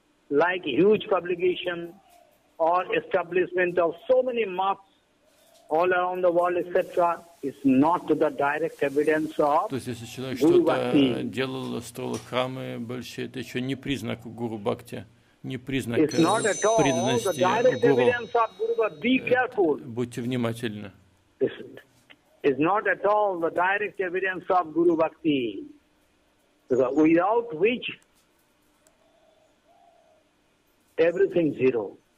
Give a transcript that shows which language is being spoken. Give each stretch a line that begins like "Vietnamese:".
English: like huge publication or establishment of so many mosques all around the world, etc., is not the direct evidence of
Russian: Guru Bhakti. То есть если человек что-то делал, строил храмы большие, это еще не признак Гуру Бхакти, не признак преданности Гуру.
English: Be careful.
Russian: Будьте внимательны.
English: Is not at all the direct evidence of Guru Bhakti, without which everything zero.